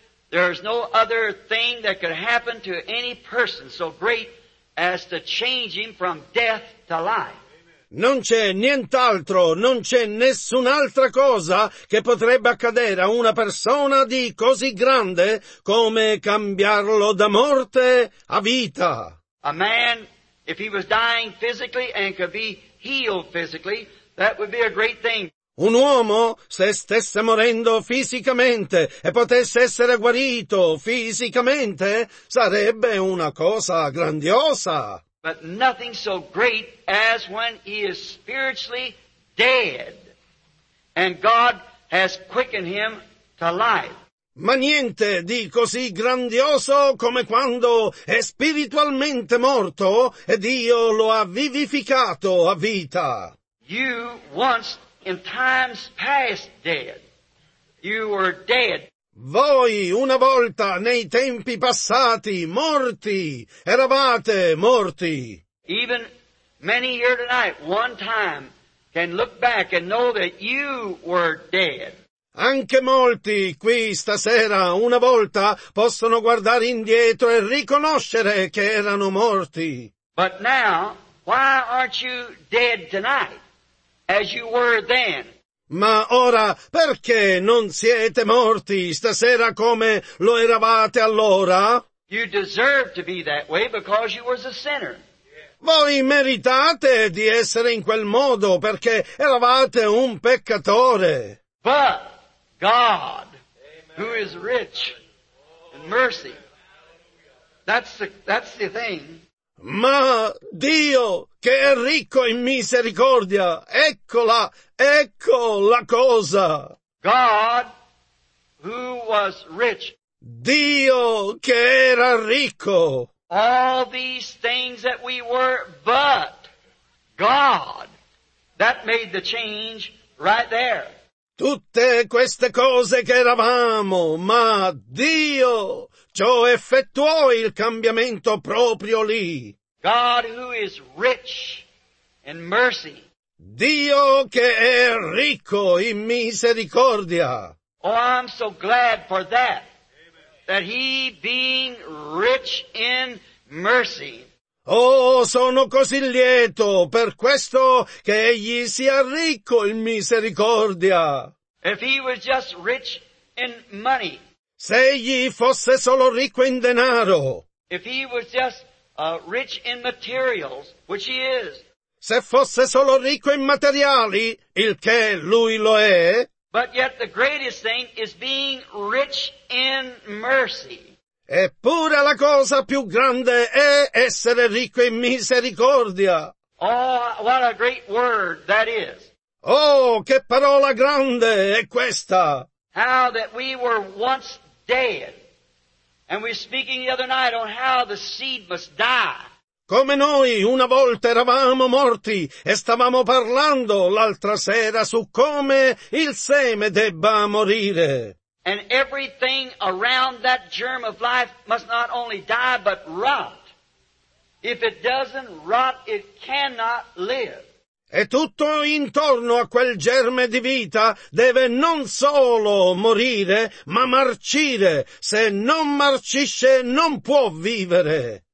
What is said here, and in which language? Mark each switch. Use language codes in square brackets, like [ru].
[en] There's no other thing that could happen to any person so great as to change him from death to life. [it] Non c'è nient'altro, non c'è nessun'altra cosa che potrebbe accadere a una persona di così grande come cambiarlo da morte a vita. [en] A man, if he was dying physically and could be healed physically, that would be a great thing. [it] Un uomo, se stesse morendo fisicamente e potesse essere guarito fisicamente, sarebbe una cosa grandiosa. [en] But nothing so great as when he is spiritually dead and God has quickened him to life. [it] Ma niente di così grandioso come quando è spiritualmente morto e Dio lo ha vivificato a vita. [en] You once in times past dead. You were dead. [it] Voi una volta nei tempi passati morti, eravate morti. [en] Even many here tonight, one time, can look back and know that you were dead. [it] Anche molti qui stasera una volta possono guardare indietro e riconoscere che erano morti. [en] But now, why aren't you dead tonight? As you were then. [it] Ma ora, perché non siete morti stasera come lo eravate allora? [en] You deserve to be that way because you was a sinner. [it] Voi meritate di essere in quel modo perché eravate un peccatore. [en] But God, who is rich in mercy, that's the thing. [it] Ma Dio, che è ricco in misericordia, ecco la cosa. [en] God, who was rich. [it] Dio, che era ricco. [en] All these things that we were, but God, that made the change right there. [it] Tutte queste cose che eravamo, ma Dio, ciò effettuò il cambiamento proprio lì. [en] God who is rich in mercy. [it] Dio che è ricco in misericordia. [en] Oh, I'm so glad for that. Amen. That he being rich in mercy. [it] Oh, sono così lieto per questo che egli sia ricco in misericordia. [en] If he was just rich in money. [it] Se egli fosse solo ricco in denaro. [en] If he was just rich in materials, which he is. [it] Se fosse solo ricco in materiali, il che lui lo è. [en] But yet the greatest thing is being rich in mercy. [it] Eppure la cosa più grande è essere ricco in misericordia. [en] Oh, what a great word that is. [it] Oh, che parola grande è questa. [en] How that we were once dead. And we were speaking the other night on how the seed must die. [it] Come noi una volta eravamo morti e stavamo parlando l'altra sera su come il seme debba morire. [en] And everything around that germ of life must not only die but rot. If it doesn't rot, it cannot live. [it] E tutto intorno a quel germe di vita deve non solo morire, ma marcire. Se non marcisce, non può vivere.